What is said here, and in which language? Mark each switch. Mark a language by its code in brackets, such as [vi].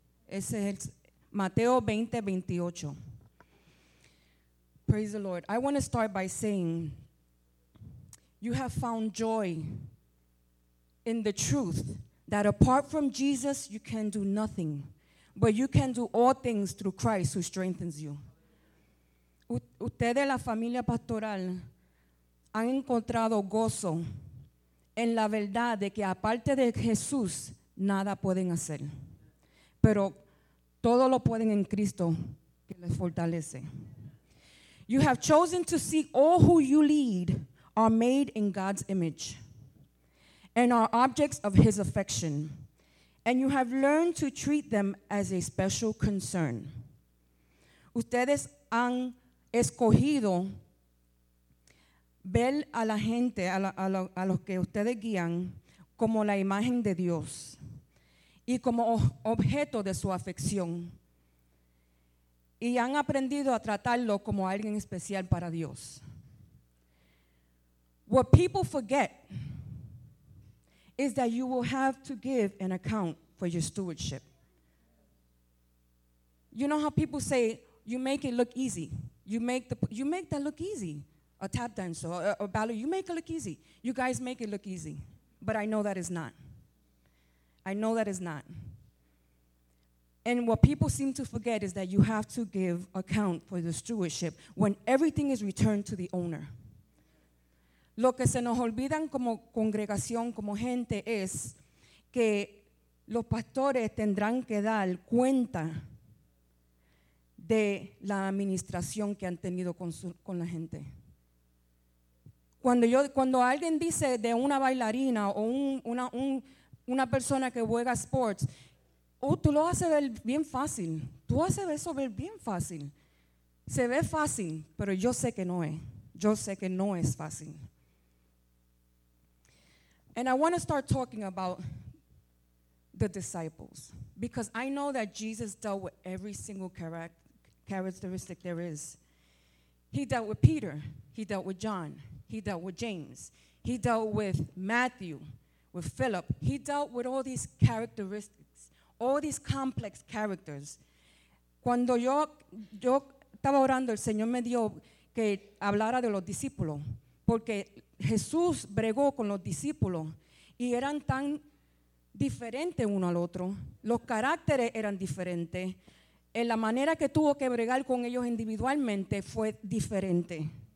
[es] Ese es Mateo 20:28. [en] Praise the Lord. I want to start by saying, you have found joy in the truth that apart from Jesus, you can do nothing, but you can do all things through Christ who strengthens you. [es] Ustedes, la familia pastoral, han encontrado gozo en la verdad de que aparte de Jesús, nada pueden hacer. Pero todo lo pueden en Cristo que les fortalece. [en] You have chosen to see all who you lead are made in God's image and are objects of his affection. And you have learned to treat them as a special concern. [es] Ustedes han escogido ver a la gente, a los que ustedes guían, como la imagen de Dios y como objeto de su afección. Y han aprendido a tratarlo como alguien especial para Dios. [en] What people forget is that you will have to give an account for your stewardship. You know how people say, you make it look easy. You make that look easy. A tap dancer, a ballet, you make it look easy. You guys make it look easy. But I know that is not. I know that is not. And what people seem to forget is that you have to give account for the stewardship when everything is returned to the owner. [es] Lo que se nos olvidan como congregación, como gente, es que los pastores tendrán que dar cuenta de la administración que han tenido con la gente. Cuando alguien dice de una bailarina o una persona que juega sports, oh, tú lo haces ver bien fácil. Tú haces eso ver bien fácil. Se ve fácil, pero yo sé que no es. Yo sé que no es fácil. [en] And I want to start talking about the disciples, because I know that Jesus dealt with every single characteristic there is. He dealt with Peter. He dealt with John. He dealt with James. He dealt with Matthew, with Philip, he dealt with all these characteristics, all these complex characters. [es] Cuando yo estaba orando, el Señor me dio que hablara de los discípulos, porque Jesús bregó con los discípulos y eran tan diferentes uno al otro. Los caracteres eran diferentes. En la manera que tuvo que bregar con ellos individualmente fue diferente.